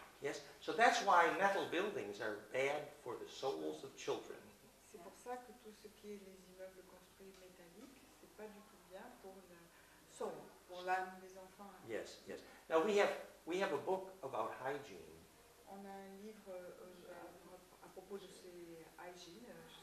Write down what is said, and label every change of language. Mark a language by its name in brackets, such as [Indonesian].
[English] Yes, so that's why metal buildings are bad for the souls of children. [French] C'est pour ça que tout ce qui est les immeubles construits métalliques, c'est pas du tout bien pour le soul, pour l'âme des enfants. [English] Yes. Now we have a book about hygiene. [French] On a un livre à propos de ces hygiene.